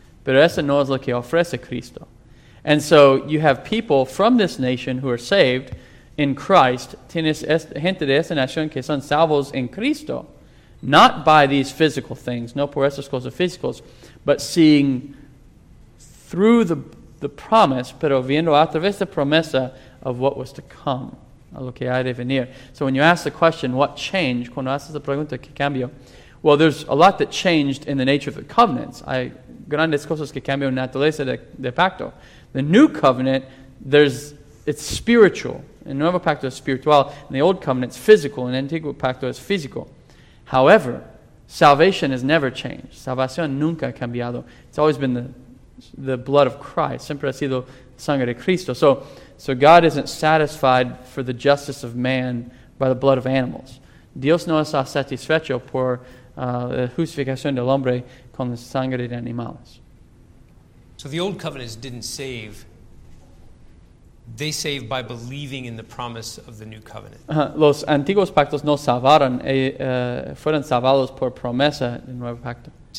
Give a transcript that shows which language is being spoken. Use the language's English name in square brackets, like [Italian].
[Spanish] Pero eso no es lo que ofrece Cristo. [English] And so, you have people from this nation who are saved in Christ. [Spanish] Tienes gente de esa nación que son salvos en Cristo. [English] Not by these physical things, [Spanish] no por esas cosas físicas, [English] but seeing through the promise, [Spanish] pero viendo a través de promesa [English] of what was to come, [Spanish] a lo que ha de venir. [English] So when you ask the question, what changed? [Spanish] Cuando haces la pregunta, ¿qué cambió? [English] Well, there's a lot that changed in the nature of the covenants. [Spanish] Hay grandes cosas que cambió en la naturaleza de pacto. [English] The new covenant, it's spiritual. [Spanish] El nuevo pacto es espiritual. [English] In the old covenant, it's physical. [Spanish] In the antiguo pacto, es físico. [English] However, salvation has never changed. [Spanish] Salvación nunca ha cambiado. [English] It's always been the blood of Christ. [Spanish] Siempre ha sido sangre de Cristo. [English] So God isn't satisfied for the justice of man by the blood of animals. [Spanish] Dios no está satisfecho por la justificación del hombre con la sangre de animales. [English] So the old covenants didn't save. They save by believing in the promise of the new covenant. [Spanish] Los antiguos pactos no salvaron, fueron salvados por promesa del nuevo pacto.